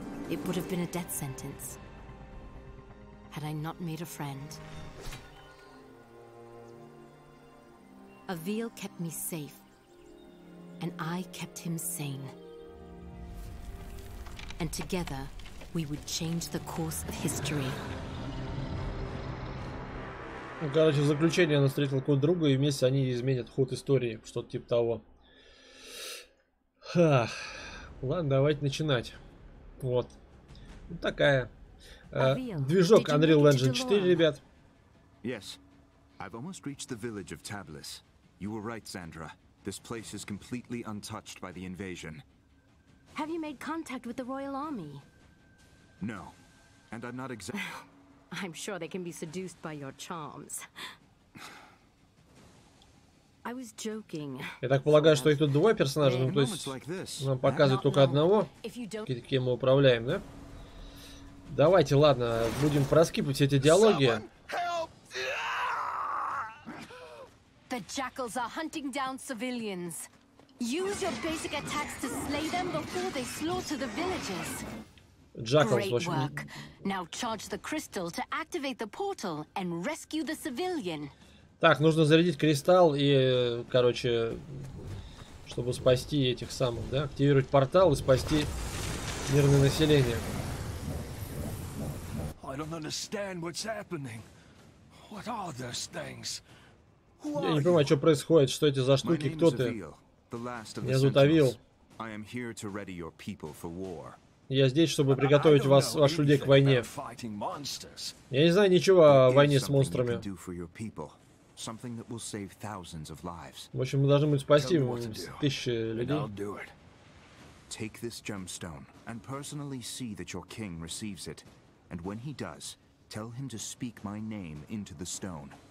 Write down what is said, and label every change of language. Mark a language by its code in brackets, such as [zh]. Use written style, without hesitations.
[en] It would have been a death sentence had I not made a friend. Avil kept me safe, and I kept him sane. And together, we would change the course of history. [ru] Ну, короче, в заключение она встретила какого-то друга, и вместе они изменят ход истории, что-то типа того. Ха. Ладно, давайте начинать. Вот. Ну, такая. Движок Unreal Engine 4, ребят. [en] Yes. I've almost reached the village of Tablis. You were right, Sandra. This place is completely untouched by the invasion. Have you made contact with the royal army? No, and I'm not exactly... I'm sure they can be seduced by your charms. I was joking. [ru] Я так полагаю, что их тут два персонажа, ну то есть нам показывают только одного, кем мы управляем, да? Давайте, ладно, будем проскипывать эти диалоги. [en] The jackals are hunting down civilians. Use your basic attacks to slay them before they slaughter the villagers. Jackals, great work. Now charge the crystal to activate the portal and rescue the civilian. [ru] Так, нужно зарядить кристалл и, короче, чтобы спасти этих самых, да? Активировать портал и спасти мирное население. [en] I don't understand what's happening. What are those things? [ru] Я не понимаю, что происходит, что эти за штуки, кто ты? Меня зовут Авил. [en] I am here to ready your people for war. [ru] Я здесь, чтобы приготовить вас, ваших людей, к войне. Я не знаю ничего о войне с монстрами. В общем, мы должны быть спасти тысячи людей. [en] Take this gemstone and personally see that your king receives it. And when he does, tell him to speak my name into the stone.